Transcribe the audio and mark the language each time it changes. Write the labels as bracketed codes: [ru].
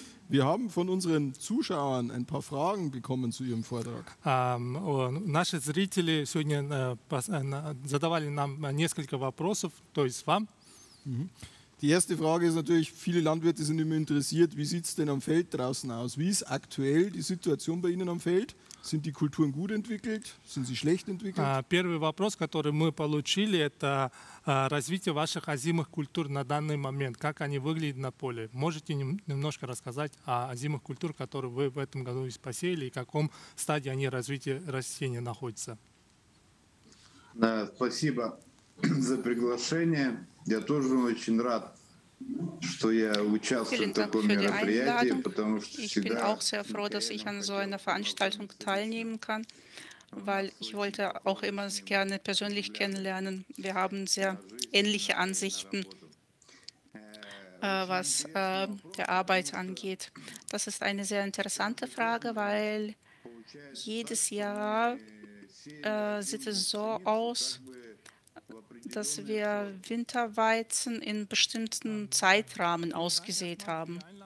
[de] Wir haben von unseren Zuschauern ein paar Fragen bekommen zu Ihrem Vortrag. [ru] Наши зрители сегодня задавали нам несколько вопросов, то есть вам. [de] Die erste Frage ist natürlich, viele Landwirte sind immer interessiert, wie sieht es denn am Feld draußen aus? Wie ist aktuell die Situation bei Ihnen am Feld? Sind die Kulturen gut entwickelt? Sind sie schlecht entwickelt? [ru] Первый вопрос, который мы получили, это развитие ваших озимых культур на данный момент. Как они выглядят на поле? Можете немножко рассказать о озимых культурах, которые вы в этом году посеяли, и в каком стадии они развития растения находятся? Спасибо за приглашение. Я тоже очень рад, что я участвую в таком мероприятии, потому что [de] ich bin auch sehr froh, dass ich an so einer Veranstaltung teilnehmen kann, weil ich wollte auch immer gerne persönlich kennenlernen. Wir haben sehr ähnliche Ansichten, was der Arbeit angeht. Das ist eine sehr interessante Frage, weil jedes Jahr sieht es so aus, dass wir Winterweizen in bestimmten Zeitrahmen ausgesät haben.